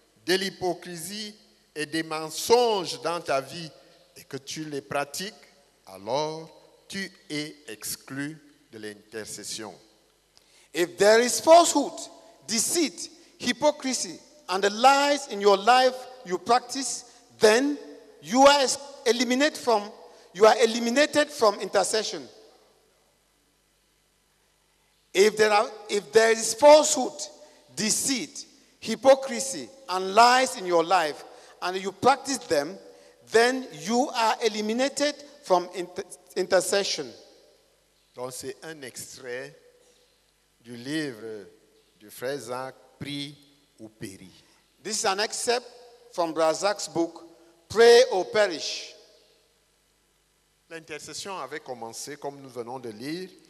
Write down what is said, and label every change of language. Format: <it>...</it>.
<fr>de l'hypocrisie et des mensonges dans ta vie et que tu les pratiques, alors tu es exclu de l'intercession.</fr> <en>If there is falsehood, deceit, hypocrisy, and the lies in your life you practice, then you are eliminated from intercession. If there is falsehood, deceit, hypocrisy, and lies in your life, and you practice them, then you are eliminated from intercession.</en> <fr>Donc c'est un extrait du livre du frère Zach, Prie ou Péris.</fr> <en>This is an excerpt from Brother Zach's book, Pray or Perish.</en> <fr>L'intercession avait commencé, comme nous venons de lire.</fr>